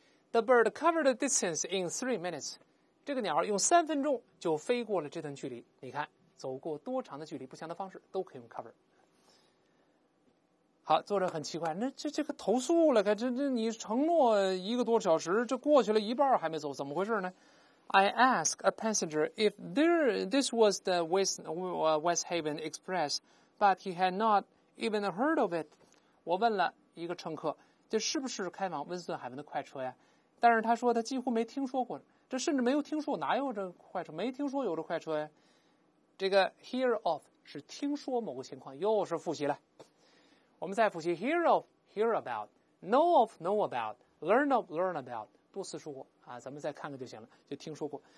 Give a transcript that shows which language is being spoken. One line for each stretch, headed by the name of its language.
English: The bird covered the distance in 3 minutes，
Chinese: 这个鸟用三分钟就飞过了这段距离。你看走过多长的距离，不强调方式都可以用 cover。好，作者很奇怪，那这个投诉了，这你承诺一个多小时，这过去了一半还没走，怎么回事呢？
English: I ask a passenger if this was the West Haven Express, but he had not even heard of it.
Chinese: 我问了一个乘客，这是不是开往温斯顿海文的快车呀？但是他说他几乎没听说过，这甚至没有听说，哪有这快车，没听说有这快车呀。这个
English: hear of
Chinese: 是听说某个情况，又是复习了。我们再复习
English: hear of, hear about, know of, know about, learn of, learn about,
Chinese: 多次说过啊，咱们再看看就行了，就听说过。